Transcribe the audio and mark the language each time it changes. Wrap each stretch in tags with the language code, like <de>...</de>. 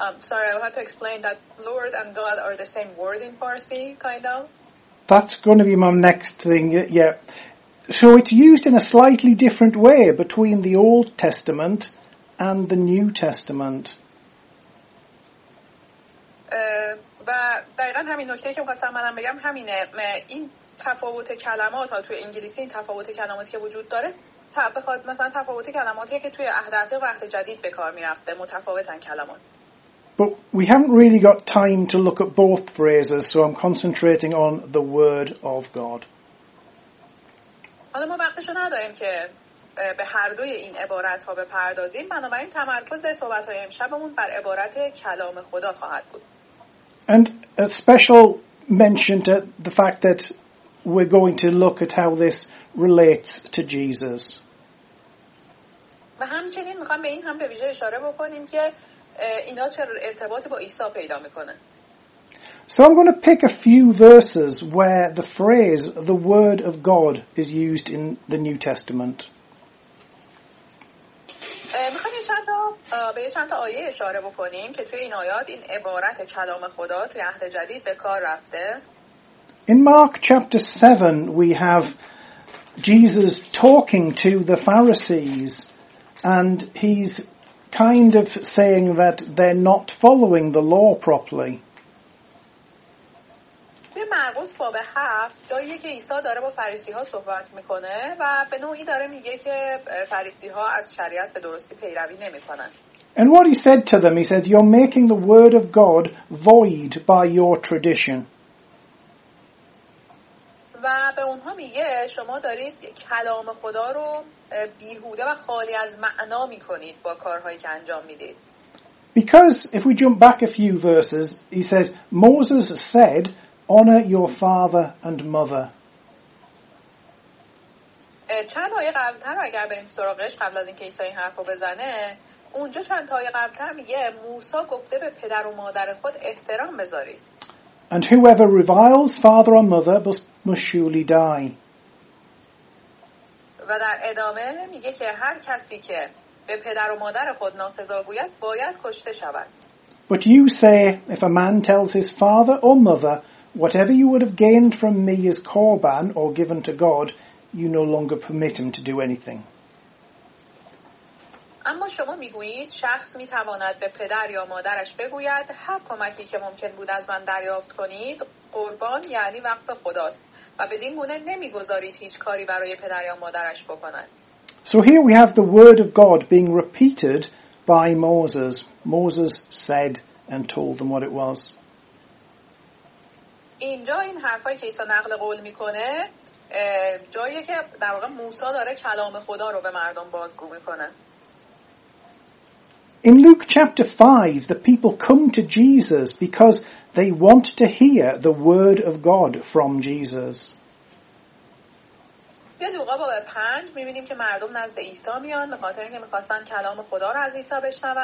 <en>Sorry, I'll have to explain that Lord and God are the same word in Farsi, kind of. That's going to be my next thing, yeah. So it's used in a slightly different way between the Old Testament and the New Testament.</en> <fa>و دقیقا همین نکته که میخواستم الان بگم همینه. این تفاوت کلمات ها توی انگلیسی، این تفاوت کلماتی که وجود داره، بخواد مثلا تفاوت کلماتیه که توی عهد عتیق و عهد جدید به کار میرفته، متفاوتن کلمات.</fa> <en>But we haven't really got time to look at both phrases, so I'm concentrating on the word of God.</en> <fa>حالا ما وقتشو نداریم که به هر دوی این عبارتها بپردازیم، بنابراین تمرکز صحبت‌های امشبمون بر عبارت کلام خدا خواهد بود.</fa> <en>And a special mention to the fact that we're going to look at how this relates to Jesus.</en> <fa>و همچنین می‌خوام به این هم به ویژه اشاره بکنیم که اینا چرا ارتباط با عیسی پیدا میکنه.</fa> <en>So I'm going to pick a few verses where the phrase the word of God is used in the New Testament.</en> <fa>میخوام به چند تا آیه اشاره بکنیم که توی این آیات این عبارت کلام خدا توی عهد جدید به کار رفته.</fa> <en>In Mark chapter 7 we have Jesus talking to the Pharisees and he's kind of saying that they're not following the law properly. In Marcus 7,</en> <fa>جایی که عیسی داره با فریسی‌ها صحبت می‌کنه و به نوعی داره میگه که فریسی‌ها از شریعت به درستی پیروی نمی‌کنن.</fa> <en>And what he said to them, he said, "You're making the word of God void by your tradition."</en> <fa>و به اونها میگه شما دارید کلام خدا رو بیهوده و خالی از معنا میکنید با کارهایی که انجام میدید.</fa> <en>Because if we jump back a few verses, he says, Moses said, honor your father and mother.</en> <fa>چند آیه قبلتر اگر بریم سراغش قبل از اینکه عیسی این حرف رو بزنه، اونجا چند آیه قبلتر میگه موسی گفته به پدر و مادر خود احترام بذارید.</fa> <en>And whoever reviles father or mother must surely die.</en> <fa>و در ادامه میگه که هر کسی که به پدر و مادر خود ناسزا گوید باید کشته شود.</fa> <en>But you say, if a man tells his father or mother, whatever you would have gained from me is korban or given to God, you no longer permit him to do anything.</en> <fa>اما شما میگویید شخص میتواند به پدر یا مادرش بگوید هر کمکی که ممکن بود از من دریافت کنید قربان یعنی وقت خداست و بدین گونه نمیگذارید هیچ کاری برای پدر یا مادرش بکنند.</fa> <en>So here we have the word of God being repeated by Moses. Moses said and told them what it was.</en> <fa>اینجا این حرفای که عیسی نقل قول میکنه جایی که در واقع موسی داره کلام خدا رو به مردم بازگو میکنه.</fa> <en>In Luke chapter 5, the people come to Jesus because they want to hear the word of God from Jesus. In Luke 5, we see that people come to Jesus because they want to hear the word of God from Jesus.</en>